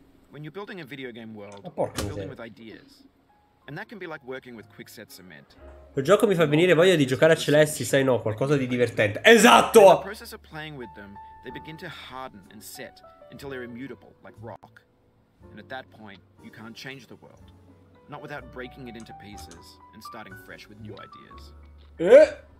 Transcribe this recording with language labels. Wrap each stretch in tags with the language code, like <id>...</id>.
<en>When you're building a video game world, you're building with ideas. And that can be like working with quicksand cement.</en> <it>Il gioco mi fa venire voglia di giocare a Celesti, sai, no, qualcosa di divertente. Esatto!</it> <en>In the process of playing with them, they begin to harden and set until they're immutable, like rock. And at that point, you can't change the world. Not without breaking it into pieces and starting fresh with new ideas.</en>